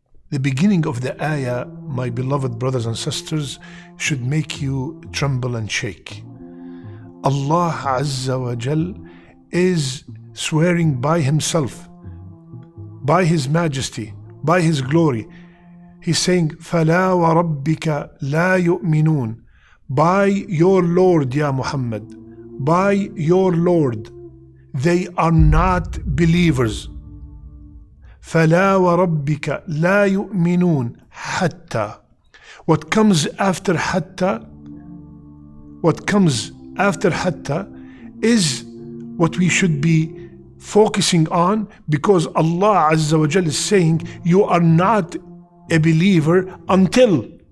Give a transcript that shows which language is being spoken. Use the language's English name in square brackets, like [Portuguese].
[English] The beginning of the ayah, my beloved brothers and sisters, should make you tremble and shake. Allah Azza wa Jal is swearing by Himself, by His Majesty, by His glory. He's saying, [Arabic] فَلَا وَرَبِّكَ لَا يُؤْمِنُونَ. [English] By your Lord, Ya Muhammad, by your Lord, they are not believers. [Arabic] فَلَا وَرَبِّكَ لَا يُؤْمِنُونَ حَتَّى. [English] What comes after حَتَّى, what comes after حَتَّى, is what we should be focusing on, because Allah Azza wa Jal is saying, you are not a believer until.